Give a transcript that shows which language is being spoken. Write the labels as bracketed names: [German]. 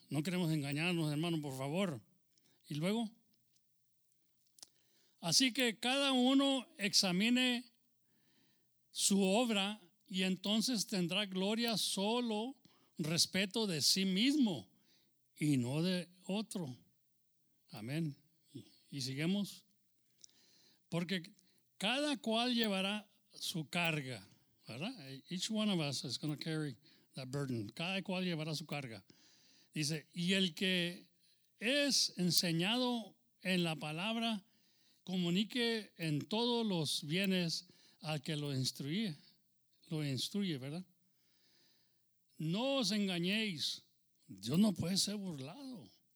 [Spanish] No queremos engañarnos, hermano, por favor. Y luego, así que cada uno examine su obra y entonces tendrá gloria solo respecto de sí mismo y no de otro. Amén. Y seguimos. Porque cada cual llevará su carga, ¿verdad? [English] Each one of us is going to carry that burden. [Spanish] Cada cual llevará su carga. Dice, y el que es enseñado en la palabra, comunique en todos los bienes al que lo instruye, ¿verdad? No os engañéis, Dios no puede ser burlado.